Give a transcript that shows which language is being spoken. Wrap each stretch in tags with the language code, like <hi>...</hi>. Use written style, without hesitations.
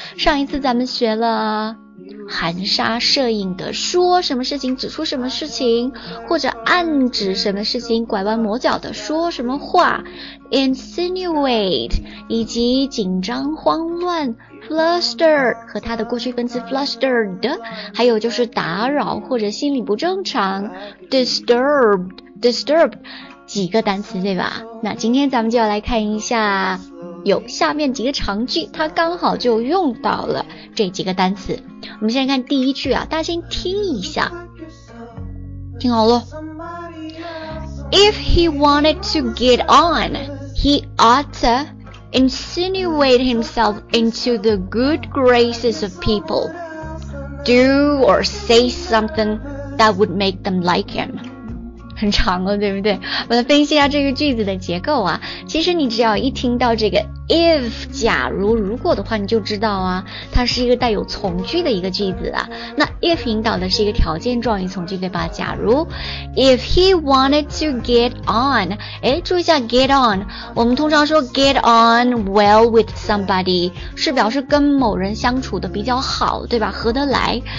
<zh>上一次咱们学了含沙射影的说什么事情，指出什么事情，或者暗指什么事情，拐弯抹角的说什么话 insinuate, 以及紧张慌乱 fluster, 和它的过去分词 flustered, 还有就是打扰或者心理不正常 disturbed, 几个单词对吧？那今天咱们就要来看一下有下面几个长句，它刚好就用到了这几个单词。我们先看第一句啊，大家先听一下，听好了。</zh> <en>If he wanted to get on, he ought to insinuate himself into the good graces of people, do or say something that would make them like him.</en> <zh>很长了，对不对？我们分析一下这个句子的结构啊。其实你只要一听到这个 if 假如如果的话，你就知道啊，它是一个带有从句的一个句子啊。那 if 引导的是一个条件状语从句，对吧？假如 if he wanted to get on，哎，注意一下 get on， 我们通常说 get on well with somebody 是表示跟某人相处的比较好，对吧？合得来。</zh>